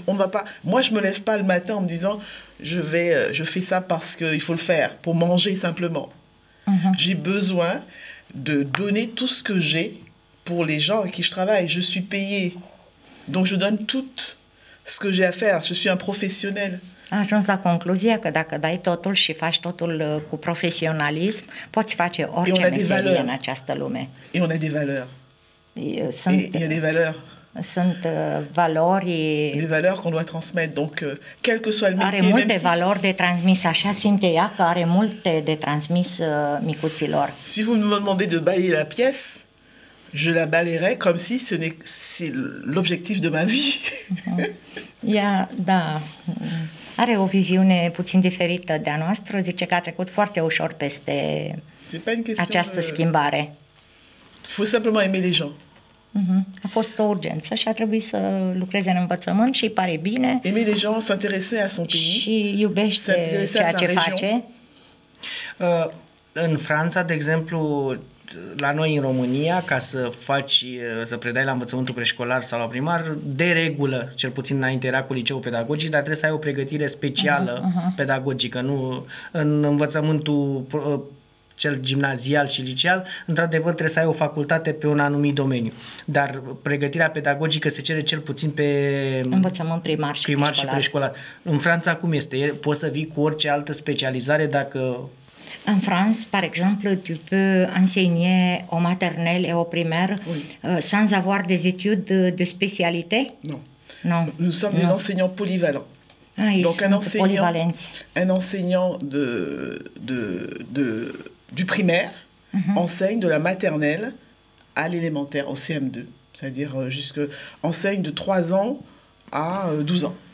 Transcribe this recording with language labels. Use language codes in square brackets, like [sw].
[fr] On va pas, moi, je me lève pas le matin en me disant je fais ça parce qu'il faut le faire, pour manger simplement. J'ai besoin de donner tout ce que j'ai pour les gens avec qui je travaille. Je suis payée. Donc je donne tout ce que j'ai à faire. Je suis un professionnel. [ro] Ajuns la concluzia că dacă dai totul și faci totul cu profesionalism, poți face orice meserie în această lume. [fr] Et on a des valeurs. Il y a des valeurs. [ro] Sunt valori. [fr] Des valeurs qu'on doit transmettre. Donc, quel que soit le métier. [ro] Are multe valori de transmis. Așa simte ea că are multe de transmis micuților. [fr] Si vous me demandez de balayer la pièce, je la balayerai comme si ce n'est c'est l'objectif de ma vie. [ro] Ea, da. Are o viziune puțin diferită de a noastră. Zice că a trecut foarte ușor peste această schimbare. [fr] Il faut simplement aimer les gens. [ro] Uh-huh. A fost o urgență și a trebuit să lucreze în învățământ și îi pare bine. [fr] Aimer les gens, s'intéresser à son pays. [ro] Și iubește ceea ce face. În Franța, de exemplu, la noi în România, ca să faci, să predai la învățământul preșcolar sau la primar, de regulă, cel puțin înainte era cu liceul pedagogic, dar trebuie să ai o pregătire specială pedagogică, nu în învățământul cel gimnazial și liceal, într-adevăr trebuie să ai o facultate pe un anumit domeniu. Dar pregătirea pedagogică se cere cel puțin pe învățământ primar și primar preșcolar. Și preșcolar. În Franța cum este? Poți să vii cu orice altă specializare dacă... În Franța, [fr] par exemplu, tu peux enseigner au maternel et au primaire sans avoir des études de spécialité? Non. Nous sommes des enseignants polyvalents. Donc un enseignant du primaire enseigne de la maternelle à l'élémentaire, au CM2, c'est-à-dire jusque enseigne de 3 ans à 12 ans.